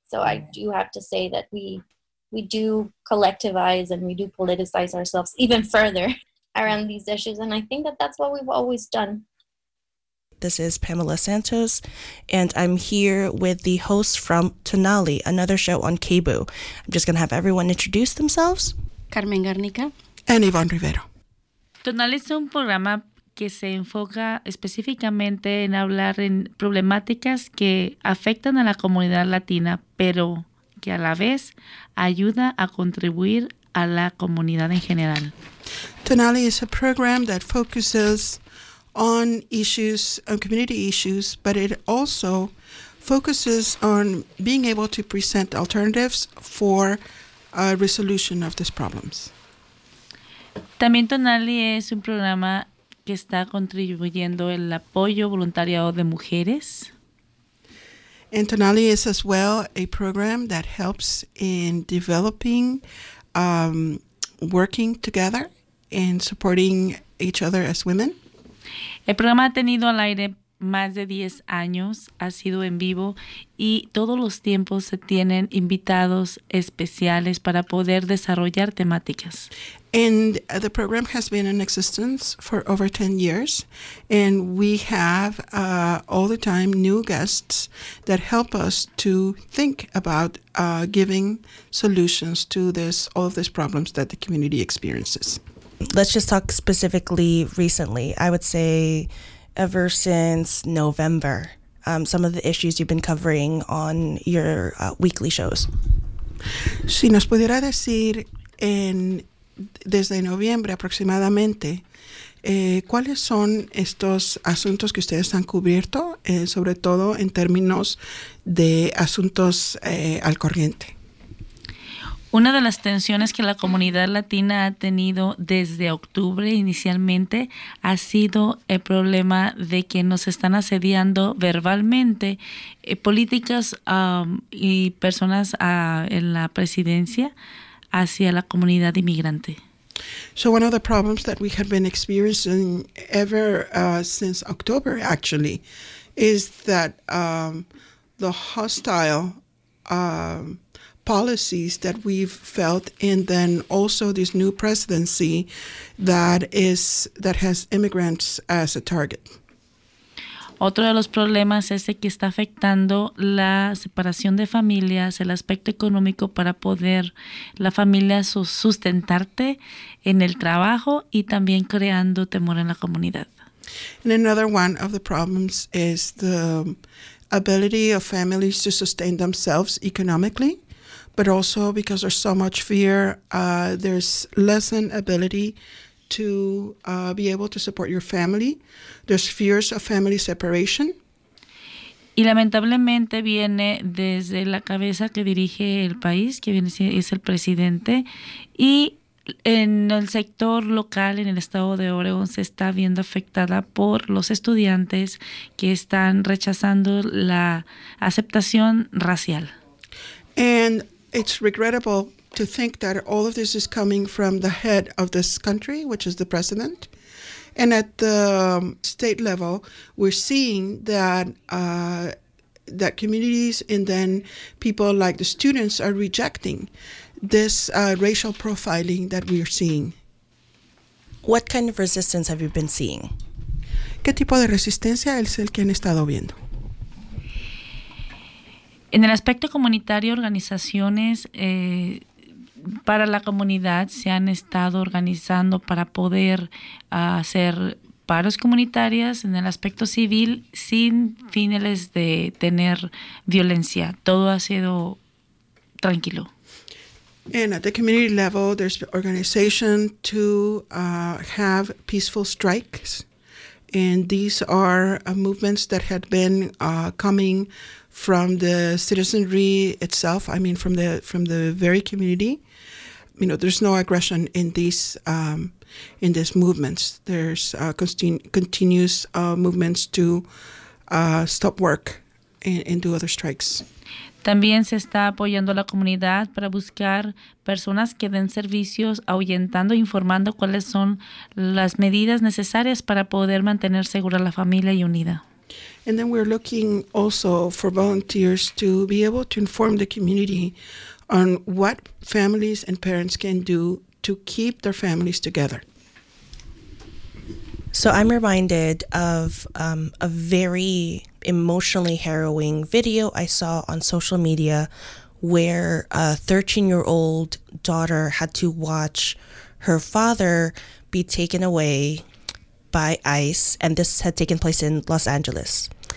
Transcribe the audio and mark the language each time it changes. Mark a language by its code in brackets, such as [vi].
[en] So I do have to say that we do collectivize and we do politicize ourselves even further around these issues. And I think that that's what we've always done. This is Pamela Santos, and I'm here with the host from Tonali, another show on KBOO. I'm just going to have everyone introduce themselves. Carmen Garnica. And Yvonne Rivero. [es] Tonali es un programa que se enfoca específicamente en hablar en problemáticas que afectan a la comunidad latina, pero que a la vez ayuda a contribuir a la comunidad en general. [en] Denali is a program that focuses on issues, on community issues, but it also focuses on being able to present alternatives for a resolution of these problems. [es] También Tonali es un programa que está contribuyendo el apoyo voluntariado de mujeres. [en] And Tonali is as well a program that helps in developing, working together and supporting each other as women. [es] El programa ha tenido al aire más de 10 años, ha sido en vivo y todos los tiempos se tienen invitados especiales para poder desarrollar temáticas. [en] And the program has been in existence for over 10 years and we have all the time new guests that help us to think about giving solutions to this all of these problems that the community experiences. Let's just talk specifically recently. I would say ever since November, some of the issues you've been covering on your weekly shows. [es] Si nos pudiera decir en desde noviembre aproximadamente, ¿cuáles son estos asuntos que ustedes han cubierto, sobre todo en términos de asuntos al corriente? Una de las tensiones que la comunidad latina ha tenido desde octubre inicialmente ha sido el problema de que nos están asediando verbalmente políticas y personas en la presidencia hacia la comunidad inmigrante. [en] So one of the problems that we have been experiencing ever since October actually is that the hostile policies that we've felt, and then also this new presidency that has immigrants as a target. [es] Otro de los problemas es el que está afectando la separación de familias, el aspecto económico para poder la familia sustentarte en el trabajo y también creando temor en la comunidad. [en] And another one of the problems is the ability of families to sustain themselves economically, but also because there's so much fear, there's less an ability to be able to support your family. There's fears of family separation. [es] Y lamentablemente viene desde la cabeza que dirige el país, que viene es el presidente, y en el sector local, en el estado de Oregon, se está viendo afectada por los estudiantes que están rechazando la aceptación racial. [en] And it's regrettable to think that all of this is coming from the head of this country, which is the president. And at the state level, we're seeing that that communities and then people like the students are rejecting this racial profiling that we are seeing. What kind of resistance have you been seeing? [es] ¿Qué tipo de resistencia es el que han estado viendo? En el aspecto comunitario, organizaciones para la comunidad se han estado organizando para poder hacer paros comunitarias en el aspecto civil sin fines de tener violencia. Todo ha sido tranquilo. [en] And at the community level, there's organization to have peaceful strikes. And these are movements that had been coming from the citizenry itself, I mean from the very community. You know, there's no aggression in these movements. There's continuous movements to stop work and do other strikes. [es] También se está apoyando a la comunidad para buscar personas que den servicios, ahuyentando, informando cuáles son las medidas necesarias para poder mantener segura la familia y unida. [en] And then we're looking also for volunteers to be able to inform the community on what families and parents can do to keep their families together. So I'm reminded of a very emotionally harrowing video I saw on social media where a 13-year-old daughter had to watch her father be taken away by ICE, and this had taken place in Los Angeles.